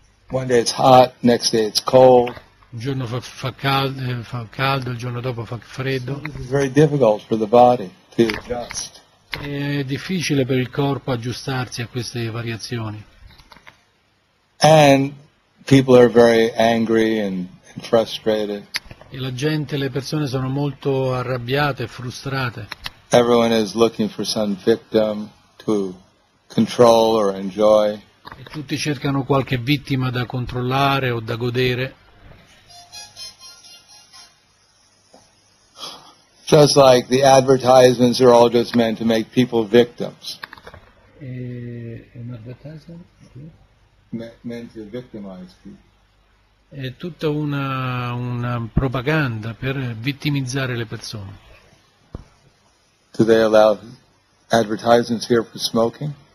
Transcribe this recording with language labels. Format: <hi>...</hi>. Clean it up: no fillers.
<en>One day it's hot, next day it's cold.</en> <it>Un giorno fa caldo, il giorno dopo fa freddo.</it> <en>So it's very difficult for the body to adjust.</en> <it>È difficile per il corpo aggiustarsi a queste variazioni.</it> <en>And people are very angry and frustrated.</en> <it>E la gente, le persone sono molto arrabbiate e frustrate.</it> <en>Everyone is looking for some victim to control or enjoy.</en> <it>E tutti cercano qualche vittima da controllare o da godere.</it> <en>Just like the advertisements are all just meant to make people victims. An advertisement? Meant to victimize people.</en> <it>È tutta una propaganda per vittimizzare le persone.</it> <en>Do they allow advertisements here for smoking?</en>